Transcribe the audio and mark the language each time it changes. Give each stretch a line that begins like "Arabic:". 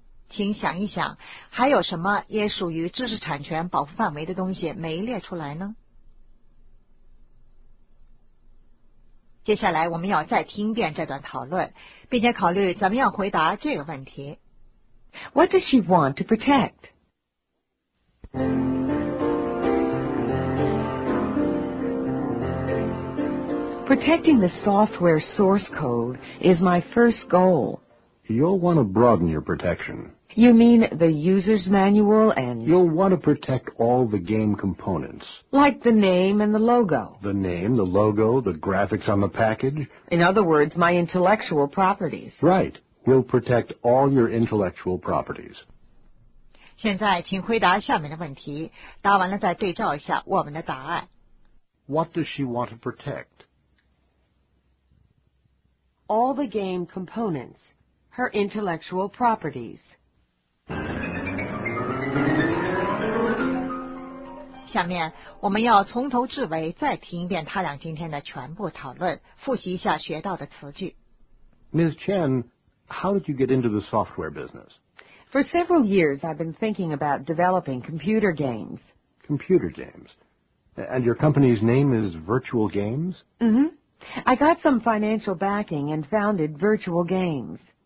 Chinese: 请想一想，还有什么也属于知识产权保护范围的东西没列出来呢？接下来我们要再听一遍这段讨论并且考虑怎么样回答这个问题
English: What does she want to protect? Protecting the software source code is my first goal You'll want to broaden your protection You mean the user's manual and... You'll want to protect all the game components. Like the name and the logo. The name, the logo, the graphics on the package. In other words, my intellectual properties. Right. We'll protect all your intellectual properties.
Chinese: 现在请回答下面的问题，答完了再对照一下我们的答案。
English: What does she want to protect? All the game components, her intellectual properties.
Chinese: 下面我们要从头至尾再听一遍他俩今天的全部讨论，复习一下学到的词句。
English: Ms. Chen, how did you get into the software business? For several years, I've been thinking about developing computer games. Computer games? And your company's name is Virtual Games? Mm-hmm. I got some financial backing and founded Virtual Games.